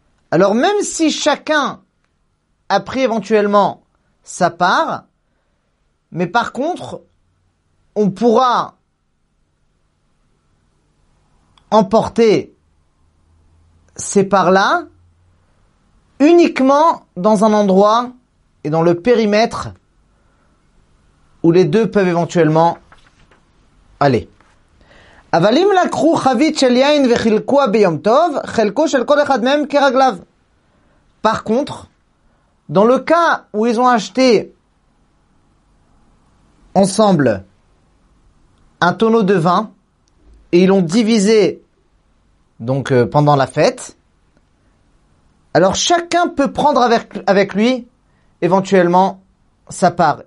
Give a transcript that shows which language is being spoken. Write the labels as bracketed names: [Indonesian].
[French] Alors même si chacun a pris éventuellement sa part, mais par contre, on pourra emporter ces parts-là uniquement dans un endroit et dans le périmètre où les deux peuvent éventuellement aller. [Hebrew] אבל אם לקחו חבית של יין וחילקו ביום טוב, חלקו של כל אחד מהם כרגליו. [French] Par contre, dans le cas où ils ont acheté ensemble un tonneau de vin et ils l'ont divisé donc pendant la fête, alors chacun peut prendre avec lui éventuellement sa part.